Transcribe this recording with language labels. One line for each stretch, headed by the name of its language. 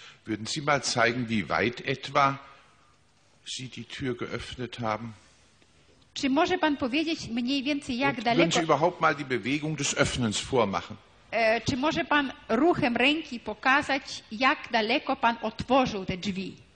German: Würden Sie mal zeigen, wie weit etwa Sie die Tür geöffnet haben?
Polish: Czy może pan powiedzieć mniej więcej, jak daleko...
German: Würden Sie überhaupt mal die Bewegung des Öffnens vormachen?
Polish: Czy może pan ruchem ręki pokazać, jak daleko pan otworzył te drzwi?